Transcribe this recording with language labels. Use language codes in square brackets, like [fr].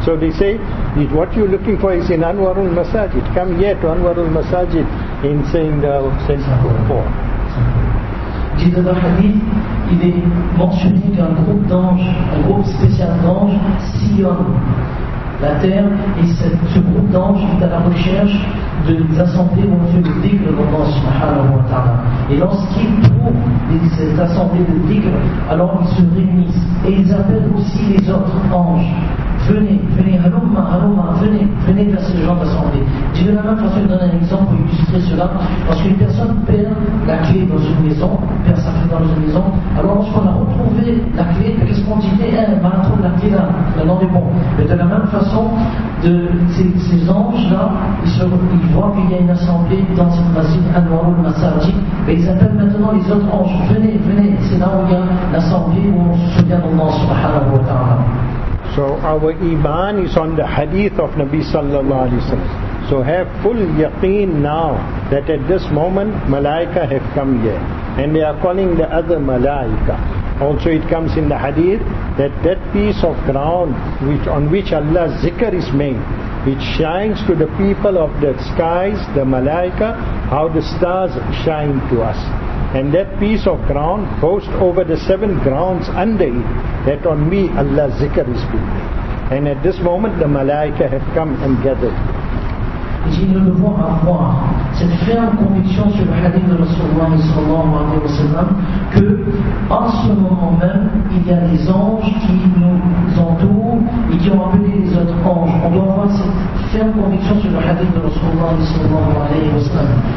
[en] So they say, what you're looking for is in Anwarul Masajid. Come here to Anwarul Masajid. in saying the sentence before. [fr] Dit dans le hadith, il est mentionné qu'un groupe d'anges, un groupe spécial d'anges, sillonne la terre, et ce groupe d'anges est à la recherche de les assemblées dont Dieu le dit, le Rabban subhanahu wa ta'ala. Et lorsqu'ils trouvent cette assemblée de tigres, alors ils se réunissent. Et ils appellent aussi les autres anges. Venez, venez, halouma, halouma, venez, venez vers ce genre d'assemblée. Je vais la même façon donner un exemple pour illustrer cela. Lorsqu'une personne perd la clé dans une maison, perd sa clé dans une maison, alors lorsqu'on a retrouvé la clé, qu'est-ce qu'on dit? Eh, maintenant la clé là, maintenant est bon. Mais de la même façon, ces anges-là, ils voient qu'il y a une assemblée dans une masjid, un warum, masajid, mais ils appellent maintenant les autres anges. Venez, venez, c'est là où il y a l'assemblée où on se souvient d'Allah subhanahu wa ta'ala. [en] So our iman is on the hadith of Nabi sallallahu alaihi wasallam. So have full yaqeen now that at this moment malaika have come here. And they are calling the other malaika. Also it comes in the hadith that that piece of ground which on which Allah's zikr is made, which shines to the people of the skies, the malaika, how the stars shine to us. And that piece of ground boasts over the seven grounds under it, that on me Allah zikr is being made. And at this moment the malaika have come and gathered. [fr] Et si nous devons avoir cette ferme conviction sur le hadith de Rasulullah sallallahu alayhi wa sallam, que en ce moment même, il y a des anges qui nous entourent et qui ont appelé les autres anges. On doit avoir cette ferme conviction sur le hadith de Rasulullah sallallahu alayhi wa sallam.